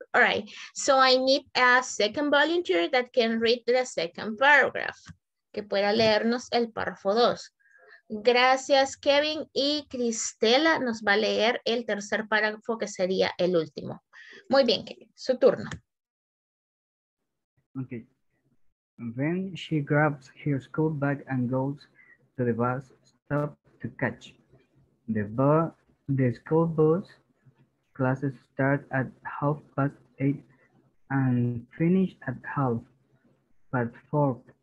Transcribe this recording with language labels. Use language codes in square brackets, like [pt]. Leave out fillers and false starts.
[en] All right, so I need a second volunteer that can read the second paragraph. [es] Que pueda leernos el párrafo 2. Gracias, Kevin. Y Cristela nos va a leer el tercer párrafo, que sería el último. Muy bien, Kevin, su turno. [en] Okay. Then she grabs her school bag and goes to the bus stop to catch the school bus. Classes start at 8:30 and finish at 4:30.